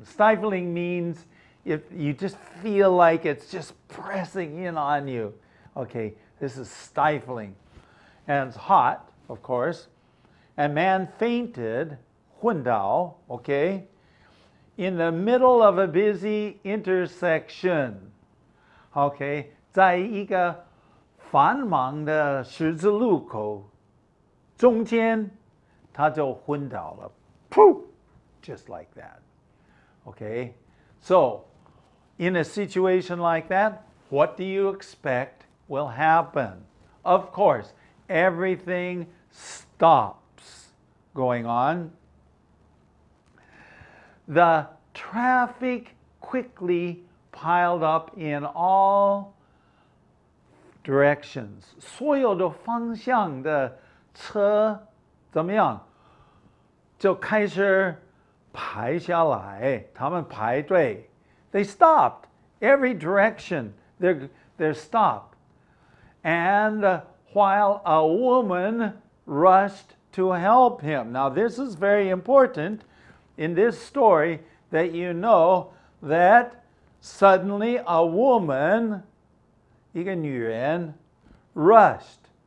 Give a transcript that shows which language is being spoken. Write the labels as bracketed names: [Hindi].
[English] Stifling means if you just feel like it's just pressing in on you. Okay, this is stifling. And it's hot, of course. And man fainted, 昏倒, okay, in the middle of a busy intersection. [Chinese] Okay, 在一个繁忙的十字路口中间,他就昏倒了。 [English] 噗!Just like that. Okay, so in a situation like that, what do you expect will happen? Of course, everything stops going on. The traffic quickly piled up in all directions. [Chinese] 所有的方向的车怎么样？就开始排下来,他们排队。 [English] They stopped. Every direction, they're stopped. And while a woman rushed to help him. Now, this is very important in this story that you know that suddenly a woman, [Chinese] 一个女人, [English] rushed.